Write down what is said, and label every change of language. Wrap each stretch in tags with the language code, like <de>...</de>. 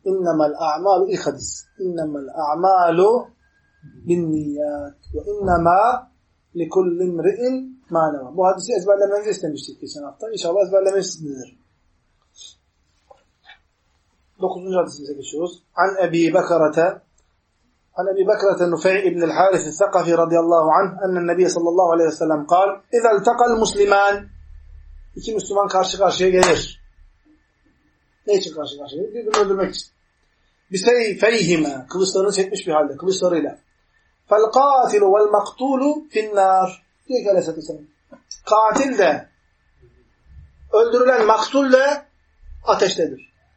<ar>İnnemel a'malu</ar> <tr>ilk hadis.</tr> <ar>İnnemel a'malu bin niyat. Ve innemâ likullim ri'in mânevâ.</ar> <tr>Bu hadisi ezberlemenizi istemiştik geçen hafta. İnşallah ezberlemişsinizdir. Dokuzuncu hadisimize geçiyoruz.</tr> <ar>An Ebi Bekarete. عن أبي بكرة النفيع بن الحارث الثقفي رضي الله عنه أن النبي صلى الله عليه وسلم قال إذا التقى المسلمان</ar> <tr>iki Müslüman karşı karşıya gelir. Ne için karşı karşıya gelir? Birbirini öldürmek için. بسيفيهما kılıçlarını çekmiş bir halde, kılıçlarıyla.</tr> <ar>فالقاتل والمقتول في النار</ar> <tr>diyor ki Aleyhisselatü Vesselam. Katil de, öldürülen maktul de ateştedir.</tr>